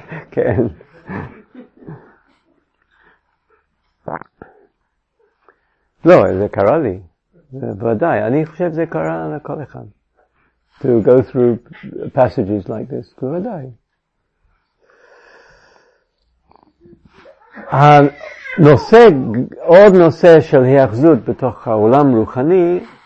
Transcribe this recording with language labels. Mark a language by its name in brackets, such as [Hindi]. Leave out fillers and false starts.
[Hebrew] כן. לא, זה קרה לי. בוודאי, אני חושב זה קרה לכל אחד. [English] To go through passages like this, [Hebrew] בוודאי. הנושא, עוד נושא של היאחזות בתוך העולם רוחני,